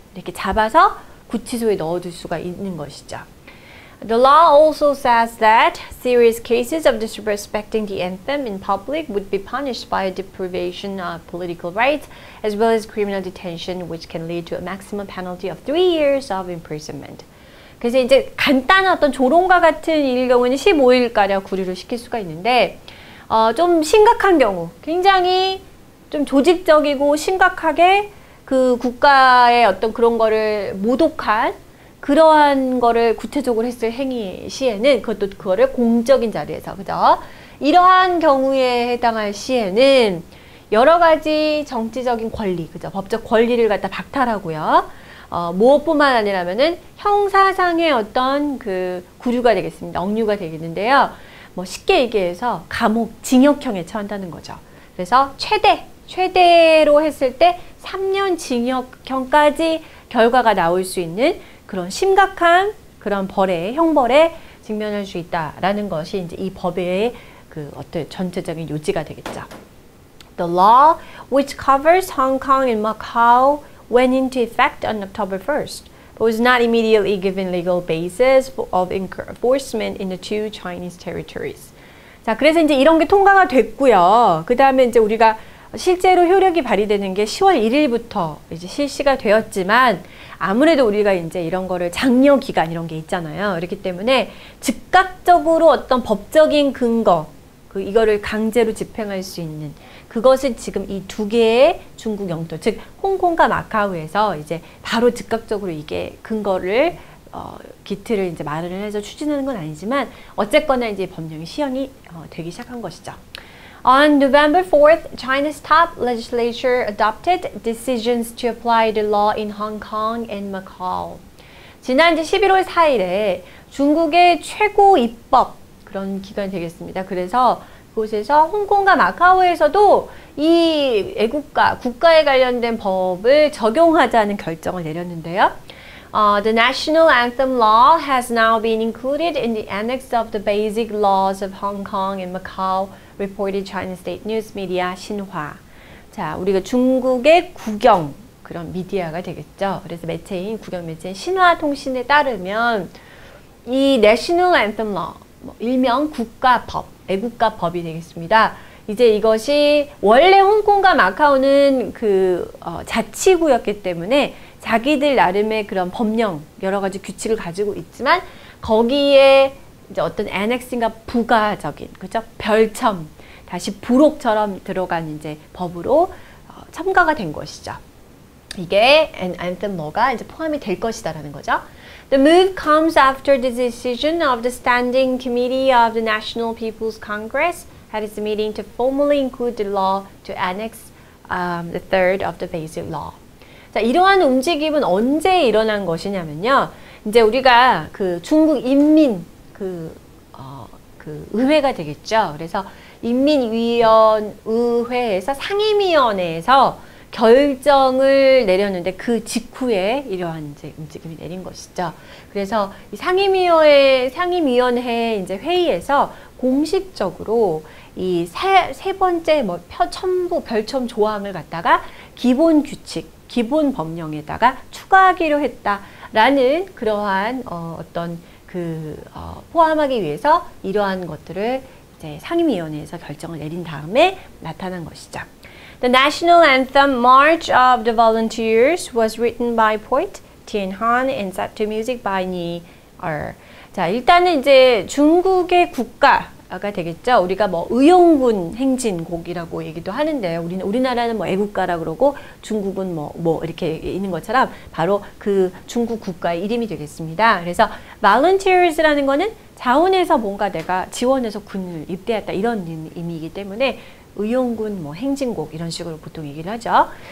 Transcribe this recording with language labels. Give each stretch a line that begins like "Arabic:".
Korean: 이렇게 잡아서 구치소에 넣어둘 수가 있는 것이죠.
English: The law also says that serious cases of disrespecting the anthem in public would be punished by a deprivation of political rights as well as criminal detention, which can lead to a maximum penalty of 3 years of imprisonment.
Korean: 그래서 이제 간단한 어떤 조롱과 같은 일 경우는 15일가량 구류를 시킬 수가 있는데, 좀 심각한 경우, 굉장히 좀 조직적이고 심각하게 그 국가의 어떤 그런 거를 모독한 그러한 거를 구체적으로 했을 행위 시에는 그것도 그거를 공적인 자리에서 그죠? 이러한 경우에 해당할 시에는 여러 가지 정치적인 권리, 그죠? 법적 권리를 갖다 박탈하고요. 무엇뿐만 아니라면은 형사상의 어떤 그 구류가 되겠습니다. 억류가 되겠는데요. 뭐 쉽게 얘기해서 감옥, 징역형에 처한다는 거죠. 그래서 최대로 했을 때 3년 징역형까지 결과가 나올 수 있는 그런 심각한 그런 형벌에 직면할 수 있다라는 것이 이제 이 법의 그 어떤 전체적인 요지가 되겠죠.
English: The law which covers Hong Kong and Macau went into effect on October 1st, but was not immediately given legal basis of enforcement in the two Chinese territories.
Korean: 자, 그래서 이제 이런 게 통과가 됐고요. 그 다음에 이제 우리가 실제로 효력이 발휘되는 게 10월 1일부터 이제 실시가 되었지만, 아무래도 우리가 이제 이런 거를 장려 기간 이런 게 있잖아요. 그렇기 때문에 즉각적으로 어떤 법적인 근거, 이거를 강제로 집행할 수 있는 그것은 지금 이두 개의 중국 영토, 즉 홍콩과 마카오에서 이제 바로 즉각적으로 이게 근거를 기틀을 이제 마련을 해서 추진하는 건 아니지만, 어쨌거나 이제 법령이 시행이 되기 시작한 것이죠.
English: On November 4th, China's top legislature adopted decisions to apply the law in Hong Kong and Macau.
Korean: 지난 이제 11월 4일에 중국의 최고 입법 그런 기관이 되겠습니다. 그래서 그곳에서 홍콩과 마카오에서도 이 애국가, 국가에 관련된 법을 적용하자는 결정을 내렸는데요.
English: The National Anthem Law has now been included in the annex of the Basic Laws of Hong Kong and Macau, reported China State News Media 신화.
Korean: 자, 우리가 중국의 국영 그런 미디어가 되겠죠. 그래서 매체인 국영 매체인 신화 통신에 따르면 이 National Anthem Law, 일명 국가법, 애국가법이 되겠습니다. 이제 이것이 원래 홍콩과 마카오는 자치구였기 때문에 자기들 나름의 그런 법령, 여러 가지 규칙을 가지고 있지만 거기에 이제 어떤 annexing과 부가적인, 그렇죠? 별첨, 다시 부록처럼 들어간 이제 법으로 첨가가 된 것이죠. 이게 anthem law가 이제 포함이 될 것이다라는 거죠.
English: The move comes after the decision of the Standing Committee of the National People's Congress at its meeting to formally include the law to annex the third of the basic law.
Korean: 자, 이러한 움직임은 언제 일어난 것이냐면요. 이제 우리가 그 중국 인민 그 의회가 되겠죠. 그래서 인민위원 의회에서 상임위원회에서 결정을 내렸는데 그 직후에 이러한 이제 움직임이 내린 것이죠. 그래서 이 상임위원회 이제 회의에서 공식적으로 이 세 번째 뭐 첨부 별첨 조항을 갖다가 기본 규칙, 기본 법령에다가 추가하기로 했다라는 그러한 어떤 그 포함하기 위해서 이러한 것들을 이제 상임위원회에서 결정을 내린 다음에 나타난 것이죠.
English: The national anthem March of the Volunteers was written by poet Tian Han and set to music by Ni Er.
Korean: 자, 일단은 이제 중국의 국가가 되겠죠. 우리가 뭐 의용군 행진곡이라고 얘기도 하는데 우리나라는 뭐 애국가라고 그러고 중국은 뭐 이렇게 있는 것처럼 바로 그 중국 국가의 이름이 되겠습니다. 그래서 Volunteers라는 거는 자원해서 뭔가 내가 지원해서 군을 입대했다 이런 의미이기 때문에 의용군 뭐 행진곡 이런 식으로 보통 얘기를 하죠.